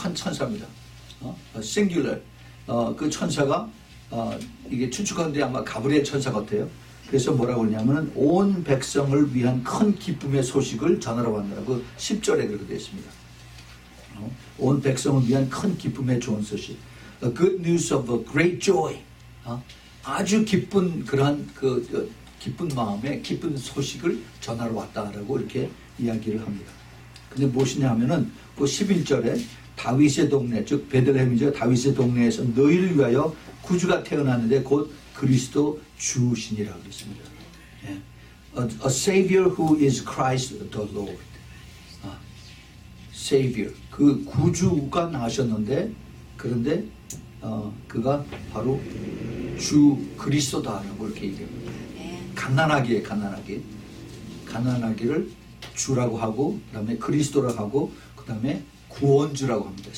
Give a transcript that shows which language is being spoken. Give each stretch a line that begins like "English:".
Korean: 한 천사입니다.
English: Singular.
Korean: 그 천사가 이게 춘추관대 아마 가브리엘 천사 같아요. 그래서 뭐라고 그러냐면은 온 백성을 위한 큰 기쁨의 소식을 전하러 왔느라고 10절에 그렇게 되어 있습니다. 온 백성을 위한 큰 기쁨의 좋은 소식.
English: A good news of a great joy.
Korean: 아주 기쁜 그러한 그 기쁜 마음에 기쁜 소식을 전하러 왔다라고 이렇게 이야기를 합니다. 근데 무엇이냐 하면은 그 11절에 다윗의 동네, 즉 베들레헴이죠. 다윗의 동네에서 너희를 위하여 구주가 태어났는데 곧 그리스도 주신이라 그랬습니다.
English: A savior who is Christ the Lord. Savior.
Korean: 그 구주가 나셨는데 그런데 그가 바로 주 그리스도다 라고 이렇게 얘기합니다. 갓난아기에 갓난아기. 갓난아기를 주라고 하고 그 다음에 그리스도라고 하고 그 다음에 구원주라고 합니다.